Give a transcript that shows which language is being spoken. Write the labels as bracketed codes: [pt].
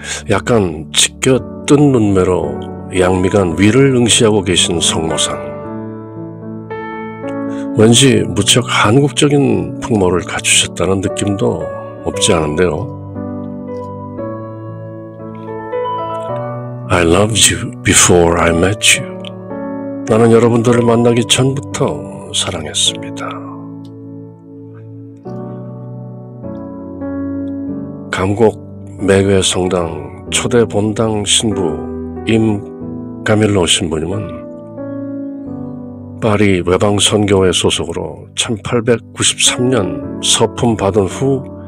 [ko] 약간 지켜 뜬 눈매로 양미간 위를 응시하고 계신 성모상. 왠지 무척 한국적인 풍모를 갖추셨다는 느낌도 없지 않은데요. [en] I loved you before I met you. [ko] 나는 여러분들을 만나기 전부터 사랑했습니다. 감곡 매괴 성당 초대 본당 신부 임 가밀로 신부님은 파리 외방 선교회 소속으로 1893년 서품 받은 후